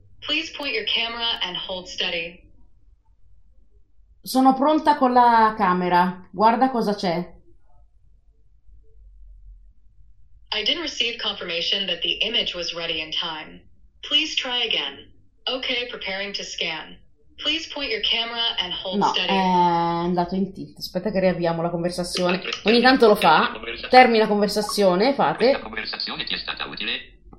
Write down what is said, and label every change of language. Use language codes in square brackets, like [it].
[en] Please point your camera and hold steady. [it] Sono pronta con la camera. Guarda cosa c'è. [en] I didn't receive confirmation that the image was ready in time. Please try again. Ok, preparing to scan. Please point your camera and hold steady. [it] È andato in tilt. Aspetta che riavviamo la conversazione. Ogni tanto lo fa. Termina conversazione, fate. La conversazione ti è stata utile?